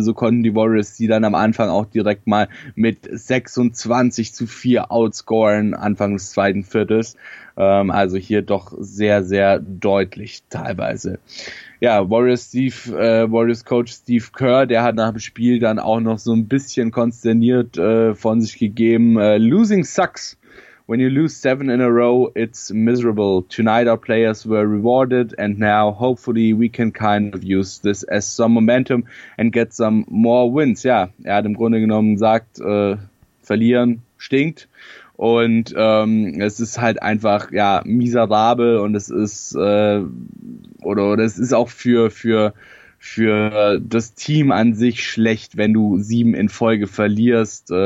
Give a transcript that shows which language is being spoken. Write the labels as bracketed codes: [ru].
[de] So konnten die Warriors sie dann am Anfang auch direkt mal mit 26 zu 4 outscoren, Anfang des zweiten Viertels. Also hier doch sehr, sehr deutlich teilweise. Ja, Warriors Coach Steve Kerr, der hat nach dem Spiel dann auch noch so ein bisschen konsterniert von sich gegeben. [en] Losing sucks. When you lose 7 in a row, it's miserable. Tonight our players were rewarded and now hopefully we can kind of use this as some momentum and get some more wins. [de] Ja, er hat im Grunde genommen gesagt, verlieren stinkt. Und es ist halt einfach ja miserabel und es ist oder es ist auch für das Team an sich schlecht, wenn du 7 in Folge verlierst.